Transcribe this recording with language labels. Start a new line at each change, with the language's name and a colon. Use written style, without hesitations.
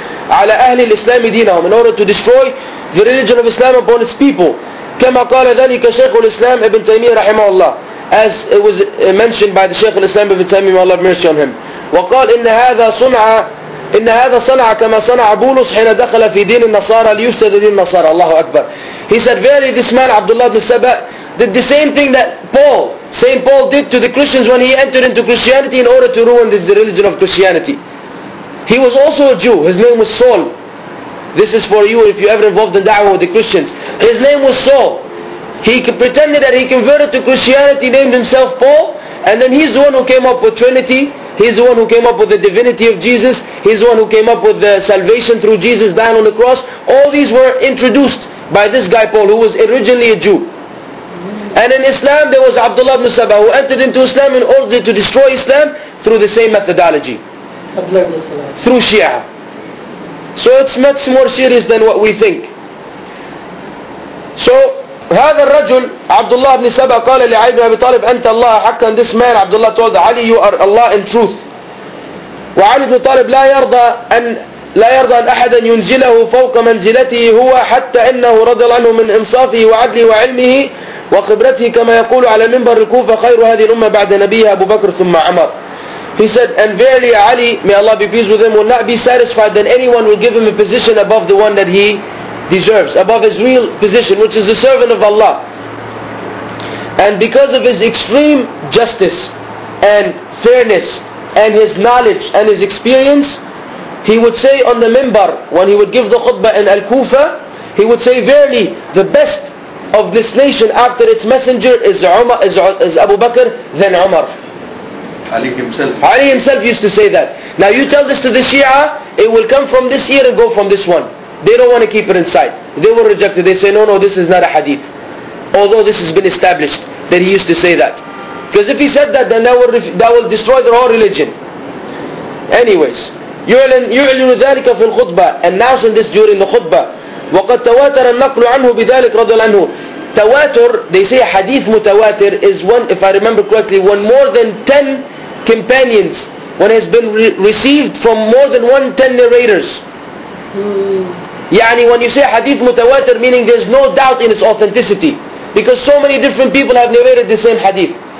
Arabic: على أهل الإسلام دينهم,
English: in order to destroy the religion of Islam upon its people.
Arabic: كما قال ذلك شيخ الإسلام ابن تيمية رحمه الله,
English: as it was mentioned by the شيخ الإسلام ابن تيمية, may Allah have mercy on him.
Arabic: وقال إن هذا صنع, إن هذا صنع كما صنع بولس حين دخل في دين النصارى ليفسد دين النصارى. الله أكبر.
English: He said, verily this man Abdullah ibn Sabah did the same thing that Paul, Saint Paul, did to the Christians when he entered into Christianity in order to ruin the religion of Christianity. He was also a Jew. His name was Saul. This is for you if you ever involved in da'wah with the Christians. His name was Saul. He pretended that he converted to Christianity, named himself Paul, and then he's the one who came up with Trinity. He's the one who came up with the divinity of Jesus. He's the one who came up with the salvation through Jesus dying on the cross. All these were introduced by this guy Paul, who was originally a Jew. And in Islam, there was Abdullah ibn Sabah, who entered into Islam in order to destroy Islam through the same methodology. Through Shia. So it's much more serious than what we think.
Arabic: So, هذا الرجل عبد الله بن سبأ قال لعلي بن أبي طالب أنت الله حقا.
English: This man Abdullah told Ali, you are Allah in truth.
Arabic: وعلي بن طالب لا يرضى أن أحدا ينزله فوق منزلته هو, حتى إنه رضي عنه من إنصافه وعدله وعلمه وخبرته كما يقول على منبر الكوفة, خير هذه الأمة بعد نبيها أبو بكر ثم عمر.
English: He said, and verily Ali, may Allah be pleased with him, will not be satisfied that anyone will give him a position above the one that he deserves, above his real position, which is the servant of Allah. And because of his extreme justice and fairness and his knowledge and his experience, he would say on the minbar, when he would give the khutbah in Al-Kufa, he would say, verily the best of this nation after its messenger is Abu Bakr, then Umar. Ali himself used to say that. Now you tell this to the Shia, it will come from this ear and go from this one. They don't want to keep it inside. They will reject it. They say, no, this is not a hadith. Although this has been established that he used to say that. Because if he said that, then that will destroy their whole religion. Anyways,
Arabic: يعلن ذلك في الخطبة,
English: announcing this during the خطبة.
Arabic: وقد تواتر النقل عنه بذلك رضي الله عنه.
English: تواتر, they say حديث متواتر, is one, if I remember correctly, one more than 10 companions, when it has been received from more than 10 narrators. يعني when you say حديث متواتر, meaning there's no doubt in its authenticity, because so many different people have narrated the same hadith.